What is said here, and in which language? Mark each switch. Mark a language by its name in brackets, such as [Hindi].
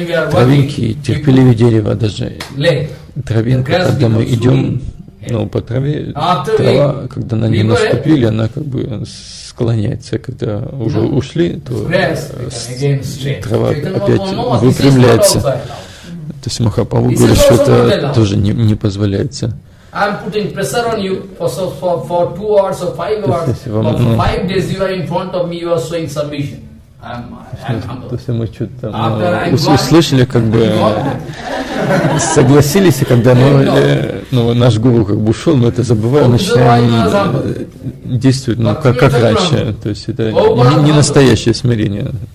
[Russian] Травинки, терпеливее дерево даже. Травинка, когда мы идем. Но по траве, трава, когда на ней наступили, она как бы склоняется. Когда уже ушли, то трава опять выпрямляется. То есть Махапрабху говорит, что это тоже не позволяется. [English] I'm putting pressure on you for 2 hours or 5 hours. For 5 days you are in front of me, you are showing submission. [Russian] То есть мы что-то там услышали, как бы согласились, и когда наш гуру как бы ушел, мы это забываем, начинаем действовать, ну, как раньше. То есть это не настоящее смирение.